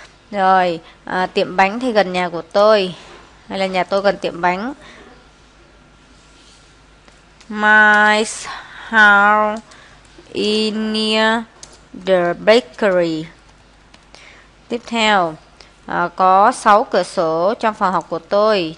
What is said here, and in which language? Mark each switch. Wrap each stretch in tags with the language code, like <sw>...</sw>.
<vi>Rồi, tiệm bánh thì gần nhà của tôi, hay là nhà tôi gần tiệm bánh.</vi> <en>My house is near the bakery.</en> <vi>Tiếp theo, có 6 cửa sổ trong phòng học của tôi.</vi>